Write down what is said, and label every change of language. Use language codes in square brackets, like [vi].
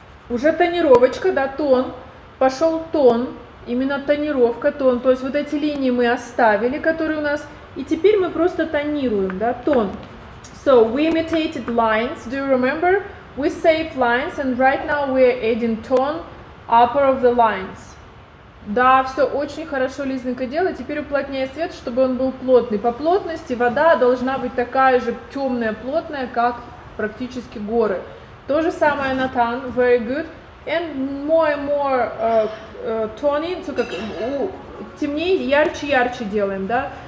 [ru] Уже тонировочка, да, тон, пошел тон, именно тонировка, тон, то есть вот эти линии мы оставили, которые у нас, и теперь мы просто тонируем, да, тон. [en] So, we imitated lines, do you remember? We saved lines, and right now we are adding tone upper of the lines. [ru] Да, все очень хорошо, Лизонька, делай. Теперь уплотняй свет, чтобы он был плотный. По плотности вода должна быть такая же темная, плотная, как практически горы. То же самое, Натан, [en] very good. And more and more toning, so [ru] как, темнее, ярче-ярче делаем, да?